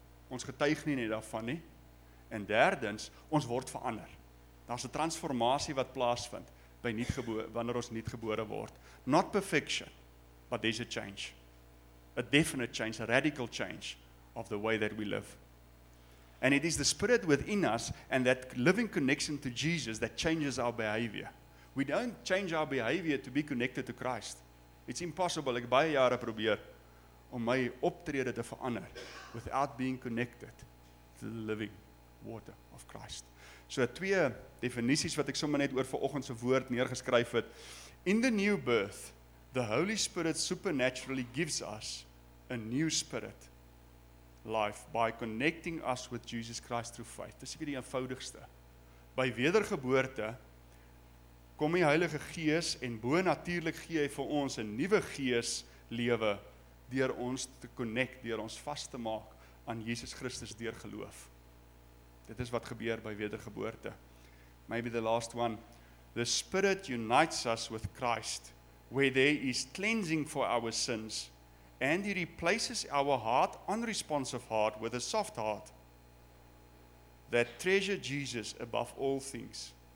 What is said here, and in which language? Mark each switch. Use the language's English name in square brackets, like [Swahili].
[Afrikaans] Ons getuig nie net daarvan nie. En derdens, ons word verander. Daar's 'n transformasie wat plaasvind by wanneer ons nuutgebore word. [English] Not perfection, but there's a change. A definite change, a radical change of the way that we live. And it is the spirit within us and that living connection to Jesus that changes our behavior. We don't change our behavior to be connected to Christ. It's impossible. [Afrikaans] Ek baie jare probeer om my optrede te verander [English] without being connected to the living water of Christ. [Afrikaans] So 2 definisies wat ek sommer net oor vanoggend se woord neergeskryf het. [English] In the new birth, the Holy Spirit supernaturally gives us a new spirit life by connecting us with Jesus Christ through faith. [Afrikaans] Dis seker die eenvoudigste. By wedergeboorte kom die Heilige Gees en bonatuurlik gee hy vir ons 'n nuwe gees lewe deur ons te connect, deur ons vas te maak aan Jesus Christus deur geloof. Dit is wat gebeur by wedergeboorte. [English] Maybe the last one. The Spirit unites us with Christ, where there is cleansing for our sins, and He replaces our heart, unresponsive heart, with a soft heart, that treasure Jesus above all things.